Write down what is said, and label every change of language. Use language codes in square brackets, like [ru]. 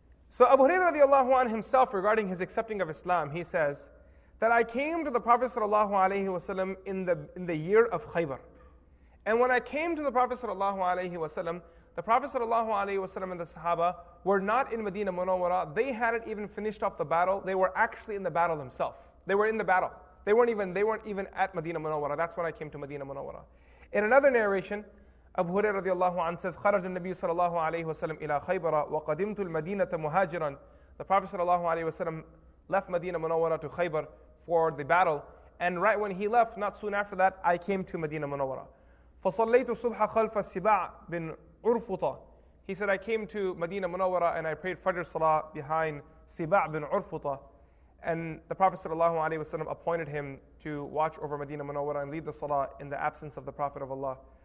[en] So Abu Hurairah radiallahu anhu himself, regarding his accepting of Islam, he says that I came to the Prophet sallallahu alayhi wasallam in the year of Khaybar. And when I came to the Prophet sallallahu alayhi wasallam, the Prophet sallallahu alayhi wasallam and the Sahaba were not in Medina Munawwara. They hadn't even finished off the battle. They were actually in the battle himself. They were in the battle. They weren't even at Medina Munawwara. That's when I came to Medina Munawwara. In another narration, Abu Hurairah radiallahu anhu says, [ar] خَرَجَ النَّبِيُّ صَلَى اللَّهُ عَلَيْهِ وَسَلَمْ إِلَىٰ خَيْبَرَ وَقَدِمْتُ الْمَدِينَةَ مُهَاجِرًا. [en] The Prophet sallallahu alayhi wasallam left Medina Munawwara to Khaybar for the battle. And right when he left, not soon after that, I came to Medina Munawwara. [ar] فَصَلَّيْتُ الصُّبْحَ خَلْفَ السِّبَاعَ بِنْ عُرْفُطَ. [en] He said, I came to Medina Munawwara and I prayed Fajr Salah behind Siba' bin Urfuta. And the Prophet sallallahu alayhi wasallam appointed him to watch over Medina Munawwara and lead the Salah in the absence of the Prophet of Allah.